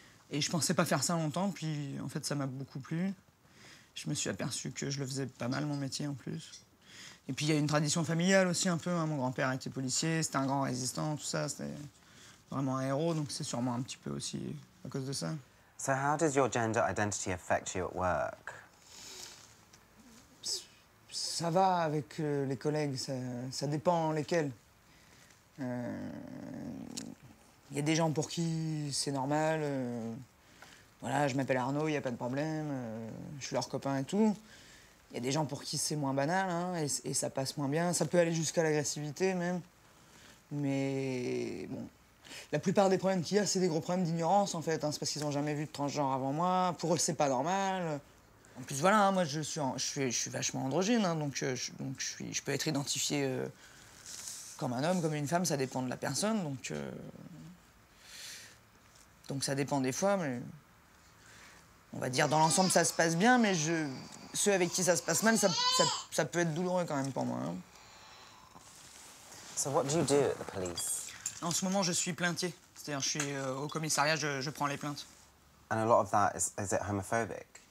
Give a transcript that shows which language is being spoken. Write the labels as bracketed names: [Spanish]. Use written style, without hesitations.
[French] Et je pensais pas faire ça longtemps, puis en fait ça m'a beaucoup plu. Je me suis aperçu que je le faisais pas mal mon métier en plus. Et puis il y a une tradition familiale aussi un peu, hein. Mon grand-père était policier, c'était un grand résistant, tout ça, c'était vraiment un héros, donc c'est sûrement un petit peu aussi à cause de ça. [English] So how does your gender identity affect you at work? [French] Ça va avec les collègues, ça dépend lesquels. Y a des gens pour qui c'est normal. Voilà, je m'appelle Arnaud, y a pas de problème. Je suis leur copain et tout. Y a des gens pour qui c'est moins banal, hein, et ça passe moins bien. Ça peut aller jusqu'à l'agressivité même. Mais bon, la plupart des problèmes qu'il y a, c'est des gros problèmes d'ignorance en fait. Hein, c'est parce qu'ils ont jamais vu de transgenre avant moi. Pour eux, c'est pas normal. En plus, voilà, hein, moi, je suis vachement androgyne, hein, donc je peux être identifié comme un homme, comme une femme, ça dépend de la personne, donc ça dépend des fois, mais on va dire dans l'ensemble ça se passe bien, mais ceux avec qui ça se passe mal, ça peut être douloureux quand même pour moi. [English] Hein. So what do you do at the police? [French] En ce moment, je suis plaintier, c'est-à-dire je suis au commissariat, je prends les plaintes. [English] And a lot of that is it homophobic?